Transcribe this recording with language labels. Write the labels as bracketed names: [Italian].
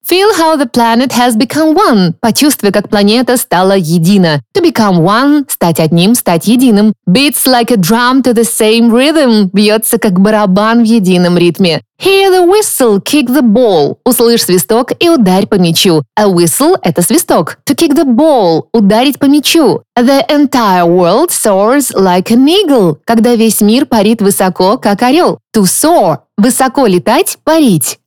[English] Feel how the planet has become one. [Russian] Почувствуй, как планета стала едина. [English] To become one [Russian] – стать одним, стать единым. [English] Beats like a drum to the same rhythm. [Russian] Бьется, как барабан в едином ритме. [English] Hear the whistle, kick the ball. [Russian] Услышь свисток и ударь по мячу. [English] A whistle [Russian] – это свисток. [English] To kick the ball – [Russian] ударить по мячу. [English] The entire world soars like an eagle. [Russian] Когда весь мир парит высоко, как орел. [English] To soar [Russian] – высоко летать, парить.